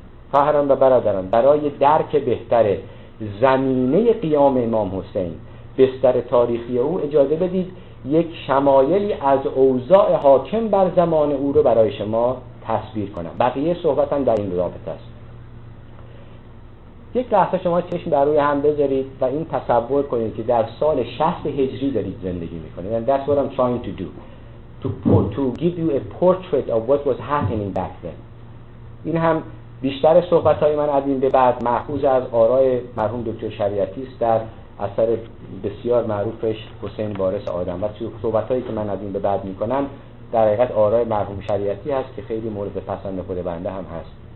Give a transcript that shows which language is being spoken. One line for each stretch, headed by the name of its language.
Persian: خواهران و برادران، برای درک بهتر زمینه قیام امام حسین، بستر تاریخی او، اجازه بدید یک شمایلی از اوضاع حاکم بر زمان او رو برای شما تصویر کنم. بقیه صحبت هم در این رابطه است. یک لحظه شما چشم بر روی هم بذارید و این تصور کنید که در سال 60 هجری دارید زندگی میکنید.
English: And that's what I'm trying to do. To give you a portrait of what was happening back then.
Persian: این هم بیشتر صحبت های من از این به بعد مأخوذ از آرای مرحوم دکتر شریعتی است در اثر بسیار معروفش حسین وارث آدم، و صحبت هایی که من از این به بعد می کنم در حقیقت آرای مرحوم شریعتی هست که خیلی مورد پسند خود بنده هم هست.